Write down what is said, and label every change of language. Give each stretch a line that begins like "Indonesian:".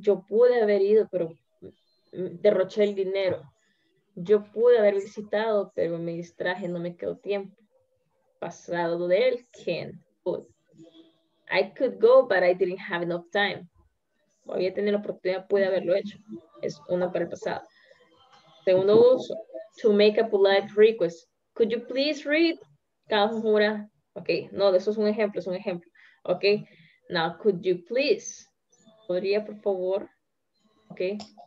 Spanish: Yo pude haber ido, pero derroché el dinero. Yo pude haber visitado, pero me distraje, no me quedó tiempo. Pasado del can. Could.
English: I could go, but I didn't have enough time.
Spanish: Voy a tener la oportunidad, pude haberlo hecho. Es una para el pasado. Segundo uso.
English: To make a polite request. Could you please read? Kamura.
Spanish: Ok, no, eso es un ejemplo, es un ejemplo.
English: Okay, now could you please?
Spanish: ¿Podría, por favor?
English: Okay.